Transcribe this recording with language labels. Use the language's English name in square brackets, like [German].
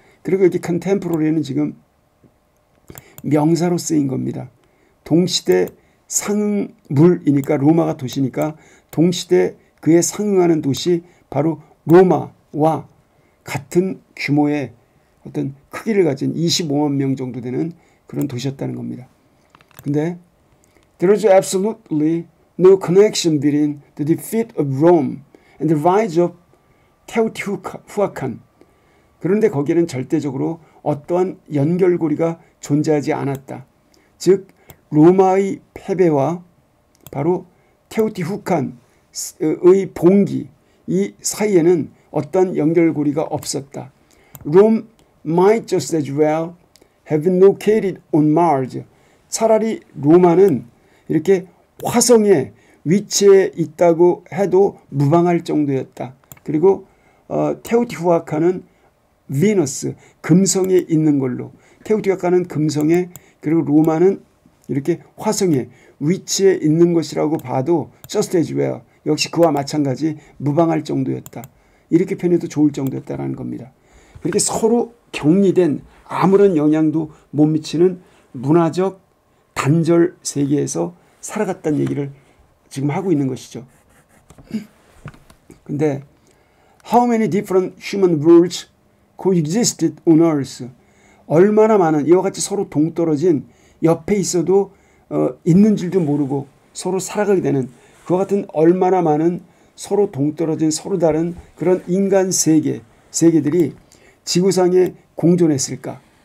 [Korean] 그리고 여기 contemporary는 지금 명사로 쓰인 겁니다. 동시대 상응물이니까, 로마가 도시니까 동시대 그에 상응하는 도시 바로 로마와 같은 규모의 어떤 크기를 가진 25만 명 정도 되는 그런 도시였다는 겁니다. 근데 [English] There is absolutely no connection between the defeat of Rome and the rise of Teotihuacan. [Korean] 그런데 거기에는 절대적으로 어떠한 연결고리가 존재하지 않았다. 즉 로마의 패배와 바로 테오티후칸의 봉기, 이 사이에는 어떤 연결고리가 없었다. [English] Rome might just as well have been located on Mars. [Korean] 차라리 로마는 이렇게 화성에 위치해 있다고 해도 무방할 정도였다. 그리고 테오티후칸은 비너스, 금성에 있는 걸로. 테오티후칸은 금성에, 그리고 로마는 이렇게 화성에 위치해 있는 것이라고 봐도 [English] just as well, [Korean] 역시 그와 마찬가지 무방할 정도였다. 이렇게 표현해도 좋을 정도였다라는 겁니다. 그렇게 서로 격리된 아무런 영향도 못 미치는 문화적 단절 세계에서 살아갔다는 얘기를 지금 하고 있는 것이죠. 근데 [English] How many different human worlds coexisted on Earth? [Korean] 얼마나 많은 이와 같이 서로 동떨어진 옆에 있어도 있는 줄도 모르고 서로 살아가게 되는 그와 같은 얼마나 많은 서로 동떨어진 서로 다른 그런 인간 세계들이 지구상에 공존했을까?